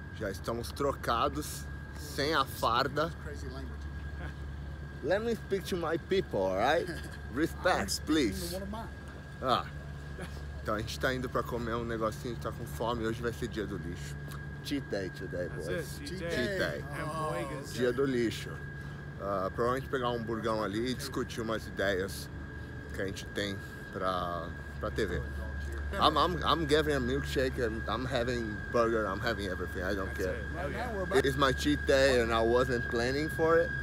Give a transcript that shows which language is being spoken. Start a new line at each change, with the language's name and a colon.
Portuguese: Estamos trocados, sem a farda.
English: Let me speak to my people, alright? Respect, please.
Portuguese: Ah, então a gente tá indo pra comer um negocinho, tá com fome. Hoje vai ser dia do lixo.
English: Cheat day today, boys. Cheat day.
Portuguese: Dia do lixo. Provavelmente pegar um hamburgão ali e discutir umas ideias que a gente tem pra TV.
English: I'm giving a milkshake and I'm having burger, I'm having everything, I don't care. It's my cheat day and I wasn't planning for it.